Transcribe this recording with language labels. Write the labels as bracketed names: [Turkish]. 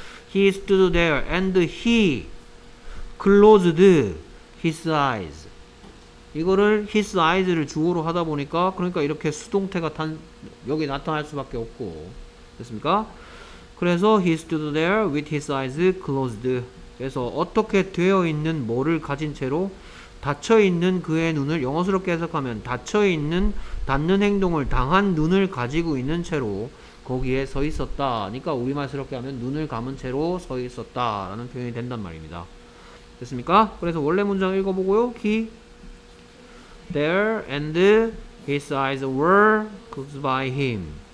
[English] He stood there and he closed his eyes. [Korean] 이거를 his eyes를 주어로 하다 보니까 그러니까 이렇게 수동태가 여기 나타날 수밖에 없고. 됐습니까? 그래서 [English] he stood there with his eyes closed. [Korean] 그래서 어떻게 되어 있는 뭐를 가진 채로 닫혀 있는 그의 눈을 영어스럽게 해석하면 닫혀 있는 닫는 행동을 당한 눈을 가지고 있는 채로 거기에 서 있었다. 그러니까 우리말스럽게 하면 눈을 감은 채로 서 있었다라는 표현이 된단 말입니다. 됐습니까? 그래서 원래 문장 읽어보고요. [English] He there and his eyes were closed by him.